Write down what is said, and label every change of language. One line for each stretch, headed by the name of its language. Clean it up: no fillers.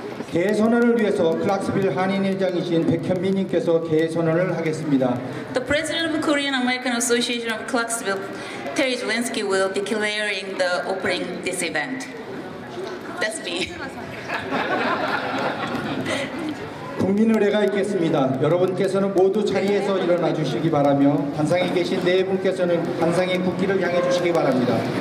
Korean: 개 선언을 위해서 클락스빌 한인회장이신 백현민님께서 개 선언을 하겠습니다.
English: The President of the Korean American Association of Clarksville, Terry Zelensky, will declaring the opening this event. That's me.
Korean: 국민의례가 있겠습니다. 여러분께서는 모두 자리에서 일어나 주시기 바라며 단상에 계신 네 분께서는 단상의 국기를 향해 주시기 바랍니다.